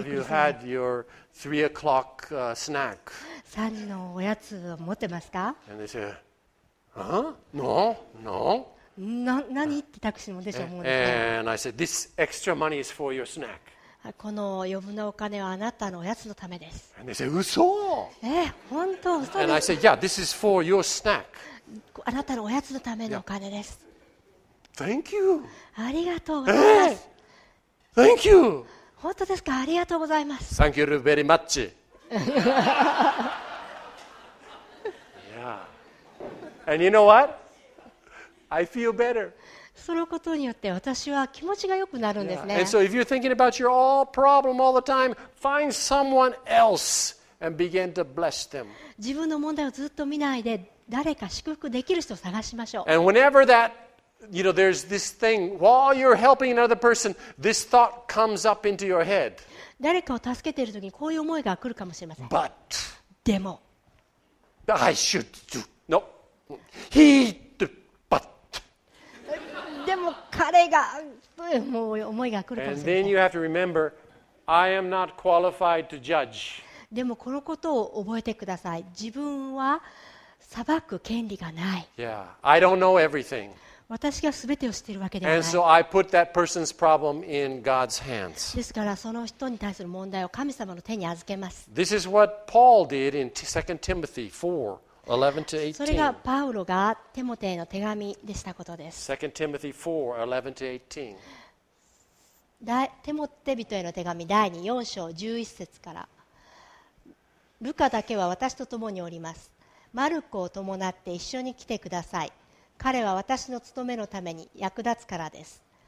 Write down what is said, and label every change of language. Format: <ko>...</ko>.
<en>Have you had your 3 o'clock snack?</en> <ja>三時のおやつを持ってますか。</ja> <en>And they say, huh? No, no.</en> <ja>な何ってタクシーの運転手が思うんですか。</ja> <en>And I said, this extra money is for your snack.</en> <ja>この余分なお金はあなたのおやつのためです。</ja> <en>And they say,</en> <ja>嘘。え、本当。</ja> <en>And I said, yeah, this is for your snack.</en> <ja>あなたのおやつのためのお金です。</ja> <en>Thank you.</en> <ja>ありがとうございます。</ja> <en>Thank you.</en> <ja>本当ですか？ありがとうございます。</ja> <en>Thank you very much. Yeah. And you know what? I feel better.</en> <ja>そのことによって私は気持ちが良くなるんですね。</ja> <en>And so if you're thinking about your all problem all the time, find someone else and begin to bless them.</en> <ja>自分の問題をずっと見ないで。誰か祝福できる人を探しましょう。</ja> <en>And whenever that, you know, there's this thing, while you're helping another person, this thought comes up into your head.</en> <ja>誰かを助けているときにこういう思いが来るかもしれません。</ja> <en>But,</en> <ja>でも、</ja> <en>I should do, no, he, but.</en> <ja>でも彼が、もう思いが来るかもしれません。</ja> <en>And then you have to remember, I am not qualified to judge.</en> <ja>でもこのことを覚えてください。自分は裁く権利がない。</ja> <en>Yeah, I don't know everything.</en> <ja>私が全てを知っているわけではない。</ja> <en>And so I put that person's problem in God's hands.</en> <ja>ですからその人に対する問題を神様の手に預けます。</ja> <en>This is what Paul did in 2 Timothy 4, 11 to 18.</en> <ja>それがパウロがテモテへの手紙でしたことです。</ja> <en>2 Timothy 4, 11 to 18.</en> <ja>手もて人への手紙第2、4章11節から、ルカだけは私と共におります、マルコを伴って一緒に来てください、彼は私の務めのために役立つからです。</ja>